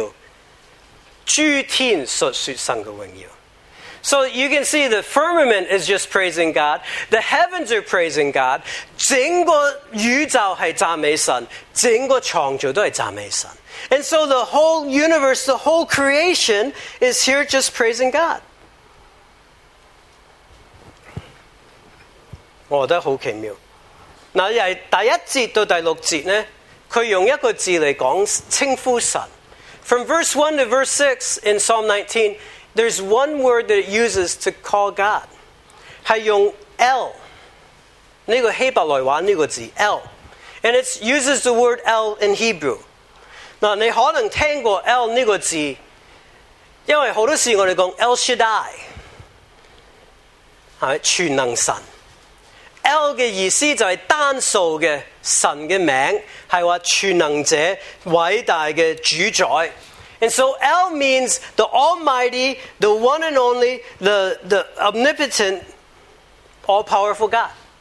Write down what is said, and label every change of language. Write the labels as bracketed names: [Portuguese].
[Chinese] 所以这个穹苍述说神的荣耀,诸天述说神的荣耀。 [English] So you can see the firmament is just praising God. The heavens are praising God. [Chinese] 整个宇宙是赞美神,整个创造都是赞美神。 [English] And so the whole universe, the whole creation is here just praising God. [Chinese] 我觉得很奇妙。那也是第一节到第六节呢, 他用一个字来讲称呼神。 [English] From verse 1 to verse 6 in Psalm 19, there's one word that it uses to call God. [Chinese] 是用 El. 这个希伯来话这个字, El. [English] And it uses the word El in Hebrew. [Chinese] 那你可能听过 El 这个字, 因为很多时候我们说 El Shaddai. 全能神。 El 的意思就是单数的神的名, 是说全能者, 伟大的主宰。 [English] And so El means the Almighty, the one and only, the omnipotent, all-powerful God.